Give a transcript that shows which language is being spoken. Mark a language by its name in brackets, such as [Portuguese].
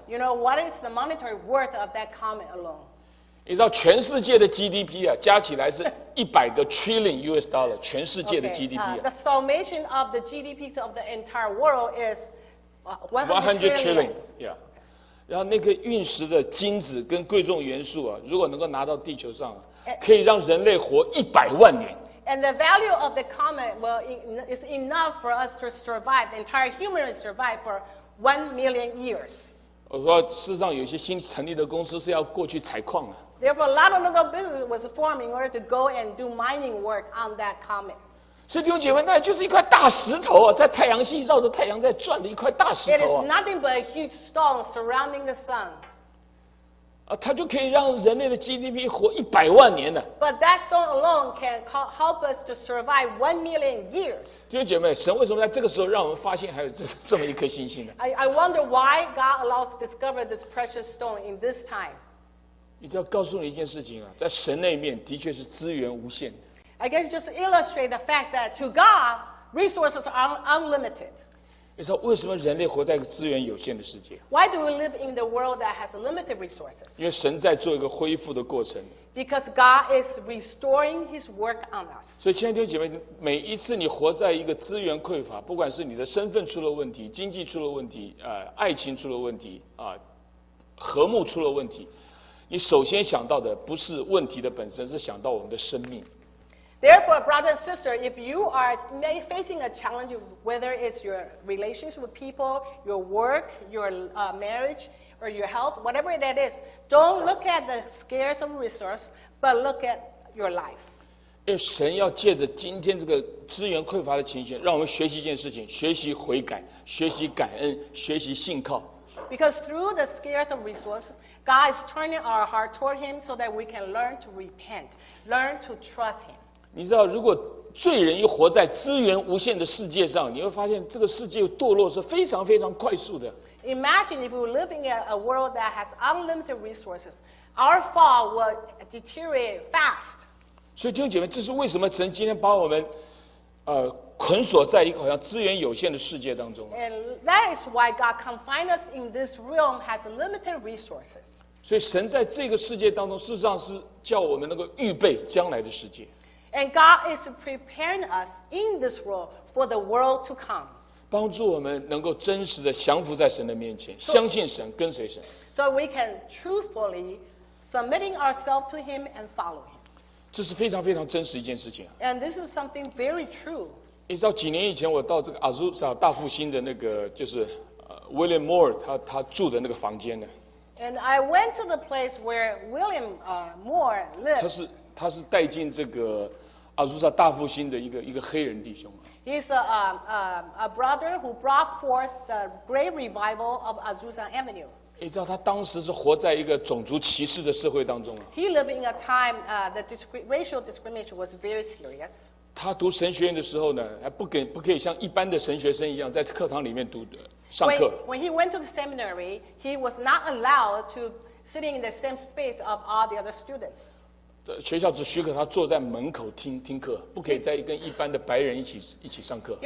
[English] ？You know what is the monetary worth of that comet alone？ [Chinese] 你知道全世界的 GDP 啊，加起来是$100 trillion， 全世界的 GDP 啊。 [English] Okay, the summation of the GDP of the entire world is $100 trillion， yeah。 [Chinese] 然后那个陨石的金子跟贵重元素啊，如果能够拿到地球上、啊，可以让人类活100万年。 [English] And the value of the comet will is enough for us to survive, the entire human survive for 1 million years. [Chinese] 我说，事实上有些新成立的公司是要过去采矿的。 [English] Therefore, a lot of little business was formed in order to go and do mining work on that comet. [Chinese] 所以弟兄姐妹，那就是一块大石头啊，在太阳系绕着太阳在转的一块大石头啊。 [English] It is nothing but a huge stone surrounding the sun. [Chinese] 啊，它就可以让人类的 GDP 活100万年呢。 [English] But that stone alone can help us to survive 1 million years. [Chinese] 弟兄姐妹，神为什么在这个时候让我们发现还有这么一颗星星呢 [English] ？I wonder why God allows to discover this precious stone in this time. [Chinese] 你只要告诉你一件事情啊，在神那面的确是资源无限的。 [English] I guess just illustrate the fact that to God, resources are unlimited. [Chinese] 你说为什么人类活在资源有限的世界 [English] ？Why do we live in the world that has limited resources？ [Chinese] 因为神在做一个恢复的过程。 [English] Because God is restoring His work on us. [Chinese] 所以亲爱的弟兄姐妹，每一次你活在一个资源匮乏，不管是你的身份出了问题、经济出了问题、爱情出了问题、和睦出了问题，你首先想到的不是问题的本身，是想到我们的生命。 [English] Therefore, brother and sister, if you are facing a challenge, whether it's your relationship with people, your work, your marriage, or your health, whatever that is, don't look at the scarce of resource, but look at your life. [Chinese] 因为神要借着今天这个资源匮乏的情形，让我们学习一件事情，学习悔改，学习感恩，学习信靠。 [English] Because through the scarce of resources, God is turning our heart toward Him so that we can learn to repent, learn to trust Him. [Chinese] 你知道，如果罪人一活在资源无限的世界上，你会发现这个世界堕落是非常非常快速的。 [English] Imagine if we live in a world that has unlimited resources, our fall will deteriorate fast. [Chinese] 所以弟兄姐妹，这是为什么神今天把我们捆锁在一个好像资源有限的世界当中。 [English] And that is why God confined us in this realm has limited resources. [Chinese] 所以神在这个世界当中，事实上是叫我们能够预备将来的世界。 [English] And God is preparing us in this world for the world to come. [Chinese] 帮助我们能够真实的降服在神的面前，相信神，跟随神。 [English] So we can truthfully submitting ourselves to Him and follow Him. [Chinese] 这是非常非常真实一件事情。 [English] And this is something very true. [Chinese] 你知道几年以前我到这个阿苏萨大复兴的那个就是William Moore 他住的那个房间呢 [English] ？And I went to the place where William Moore lived. [Chinese] 他是带进这个阿苏萨大复兴的一个黑人弟兄。 [English] He's a brother who brought forth the great revival of Azusa Avenue. [Chinese] 你知道他当时是活在一个种族歧视的社会当中啊。 [English] He lived in a time the racial discrimination was very serious. [Chinese] 他读神学院的时候呢，还不可以像一般的神学生一样在课堂里面读的上课。 [English] When he went to the seminary, he was not allowed to sit in the same space of all the other students. [Chinese] 学校只许可他坐在门口听课，不可以再跟一般的白人一起上课。